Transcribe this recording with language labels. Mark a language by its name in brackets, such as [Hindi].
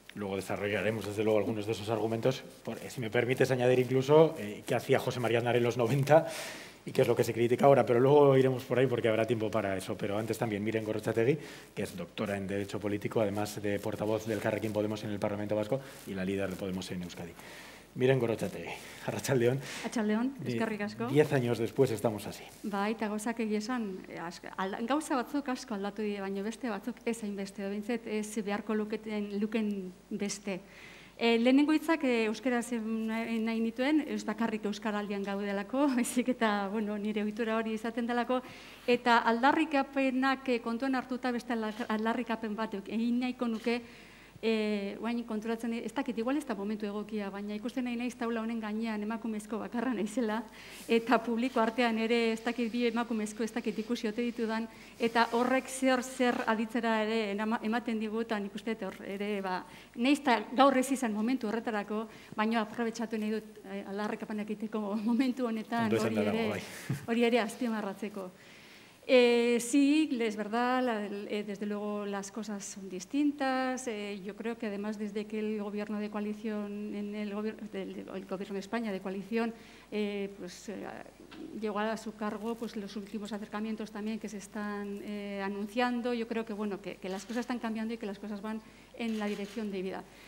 [Spanish] Luego desarrollaremos, desde luego, algunos de esos argumentos. Si me permites añadir incluso qué hacía José María Aznar en los 90 y qué es lo que se critica ahora, pero luego iremos por ahí porque habrá tiempo para eso. Pero antes también, Miren Gorrotxategi, que es doctora en Derecho Político, además de portavoz del Carrequín Podemos en el Parlamento Vasco y la líder de Podemos en Euskadi. [Basque] Miren Gorrotxategi, arratsaldeon. Arratsaldeon, eskerrik asko. [Spanish] 10 años después estamos así. [Basque] Bai, eta gauzak egiesan, gauza batzuk asko aldatu die, baina beste batzuk ez hainbeste, behintzet ez beharko luken beste. Lehenengo hitzak euskaraz nahi nituen, ez bakarrik euskaraldian gaudelako, ezik eta bueno, nire ohitura hori izaten delako, eta aldarrikapenak kontuan hartuta beste aldarrikapen batek egin nahiko nuke, guain konturatzen, ez dakit, igual ez da momentu egokia, baina ikusten nahi naiz taula honen gainean emakumezko bakarra naizela, eta publiko artean ere ez dakit bi emakumezko ez dakit ikusi ote ditudan, eta horrek zer aditzera ere ematen digutan ikustet hor, ere, ba, nahiz eta gaur ez izan momentu horretarako, baina aprobetsatu nahi dut aldarrikapenak egiteko momentu honetan hori ere azpimarratzeko. [Spanish] Sí, es verdad, desde luego las cosas son distintas. Yo creo que además desde que el gobierno de coalición, el gobierno de España de coalición, llegó a su cargo, pues los últimos acercamientos también que se están anunciando, yo creo que bueno, que las cosas están cambiando y que las cosas van en la dirección debida.